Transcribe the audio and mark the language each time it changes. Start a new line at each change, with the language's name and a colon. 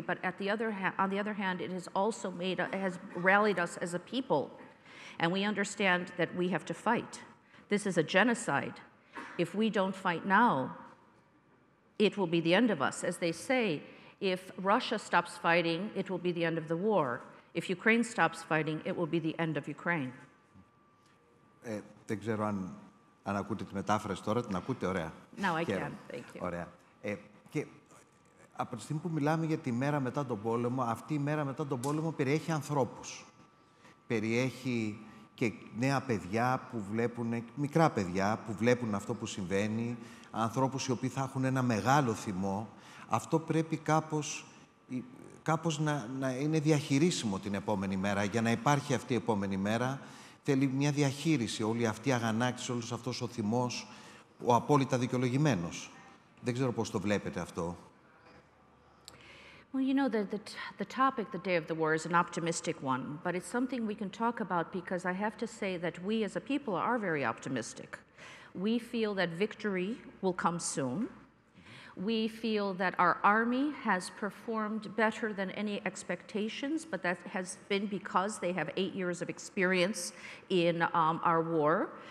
English: But at the other on the other hand, it has also made, it has rallied us as a people. And we understand that we have to fight. This is a genocide. If we don't fight now, it will be the end of us. As they say, if Russia stops fighting, it will be the end of the war. If Ukraine stops fighting, it will be the end of Ukraine.
Greek: Δεν ξέρω αν ακούτε τη μετάφραση τώρα, την ακούτε ωραία.
English: Now I can, thank you.
Greek: Ωραία. Και από τη στιγμή που μιλάμε για τη μέρα μετά τον πόλεμο, αυτή η μέρα μετά τον πόλεμο περιέχει ανθρώπους. Περιέχει και νέα παιδιά που βλέπουν, μικρά παιδιά που βλέπουν αυτό που συμβαίνει, ανθρώπους οι οποίοι θα έχουν ένα μεγάλο θυμό. Αυτό πρέπει κάπως να είναι διαχειρίσιμο την επόμενη μέρα. Για να υπάρχει αυτή η επόμενη μέρα, θέλει μια διαχείριση, όλη αυτή η αγανάκτηση, όλος αυτός ο θυμός, ο απόλυτα δικαιολογημένος. Δεν ξέρω πώς το βλέπετε αυτό.
English: Well, you know, the topic, the day of the war, is an optimistic one, but it's something we can talk about because I have to say that we as a people are very optimistic. We feel that victory will come soon. We feel that our army has performed better than any expectations, but that has been because they have 8 years of experience in our war.